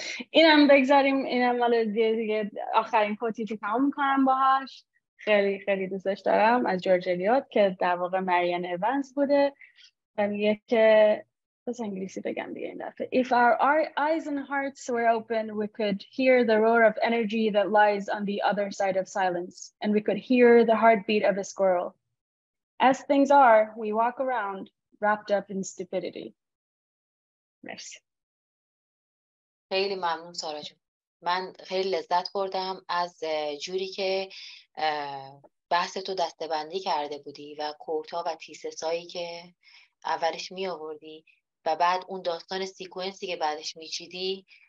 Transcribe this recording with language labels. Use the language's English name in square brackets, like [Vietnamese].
[Persian] اینم بگذاریم، اینم مال دیگه آخرین کوتی که تموم میکنم باهاش. خیلی خیلی دوستش دارم از جورج الیوت که در واقع مریان ایونز بوده. میگه که بس انگلیسی بگم دیگه این دفعه. [English] If our eyes and hearts were open, we could hear the roar of energy that lies on the other side of silence, and we could hear the heartbeat of a squirrel. As things are, we walk around wrapped up in stupidity. [Persian] مرسی. خیلی ممنون سارا جون. من خیلی لذت بردم از جوری که بحث تو دستبندی کرده بودی و کورتا و تیسس هایی که اولش می آوردی و بعد اون داستان سیکوینسی که بعدش می چیدی.